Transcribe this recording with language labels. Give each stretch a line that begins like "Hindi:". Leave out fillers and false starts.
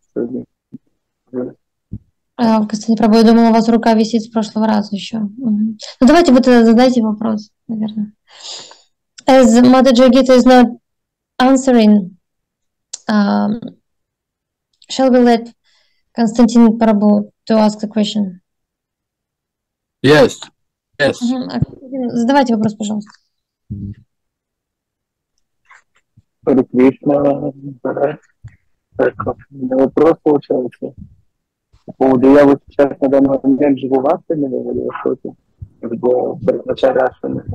Russian: Кстати, пробую, думала, у вас рука висит с прошлого раза еще. Угу. Ну, давайте вы тогда задайте вопрос, наверное.
English: As Mother Jagita is not answering, shall we let Constantine Prabhu to ask the question? Yes. Uh-huh.
Russian: Задавайте вопрос, пожалуйста. Hare Krishna. Так, вопрос получается. По поводу, я вот сейчас на данный момент живу в Астане, или в Ашоке, в начале Астане.